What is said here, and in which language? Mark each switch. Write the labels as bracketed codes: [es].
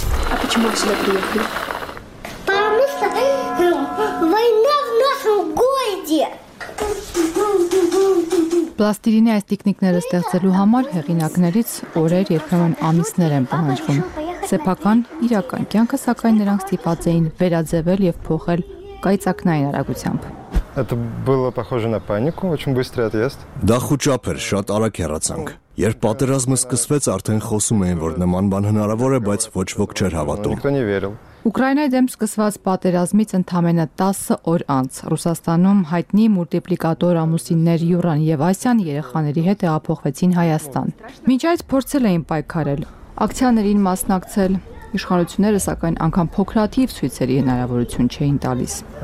[ru] А почему вы сюда приехали? Потому что война в нашем городе. [hy] Պլաստիրինի այս տիկնիկները ստեղծելու համար հեղինակներից օրեր, երբեմն ամիսներ են պահանջվում։ Սեփական իրական կյանքը, սակայն, նրանք ստիպած էին վերաձևել եւ փոխել կայծակնային արագությամբ։ [ru] Это было похоже на панику, очень быстрый отъезд. Да [hy] խուճապեր, շատ արագ հեռացանք։ Երբ պատերազմը սկսվեց, արդեն խոսում էին, որ նման բան հնարավոր է, բայց ոչ ոք չէր հավատում։ Ուկրաինայի դեմ սկսված պատերազմից ընդամենը 10 օր անց Ռուսաստանում հայտնի մուլտիպլիկատոր ամուսիններ Յուրան եւ Ասյան երեխաների հետ հափոխվեցին Հայաստան։ Մինչ այդ փորձել էին պայքարել, ակցիաներին մասնակցել, իշխանությունները սակայն անգամ փոքրաթիվ ցույցերի հնարավորություն չէին տալիս։